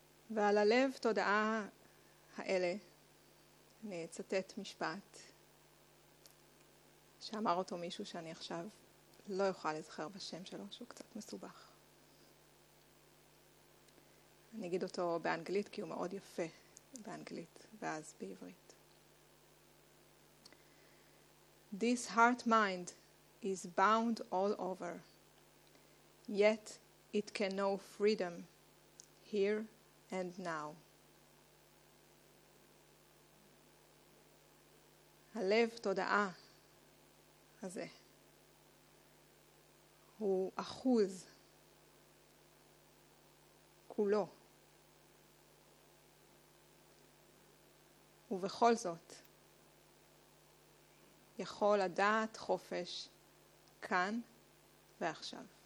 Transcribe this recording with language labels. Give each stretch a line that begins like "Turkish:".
Hebrew: ועל הלב תודעה האלה אני אצטט משפט שאמר אותו מישהו שאני עכשיו לא יוכל לזכר בשם שלו, שהוא קצת מסובך. אני אגיד אותו באנגלית כי הוא מאוד יפה באנגלית. ואז בעברית.
English: This heart mind is bound all over, yet it can know freedom here and now.
Hebrew: הלב תודעה הזה הוא אחוז כולו. ובכל זאת, יכול לדעת חופש כאן ועכשיו.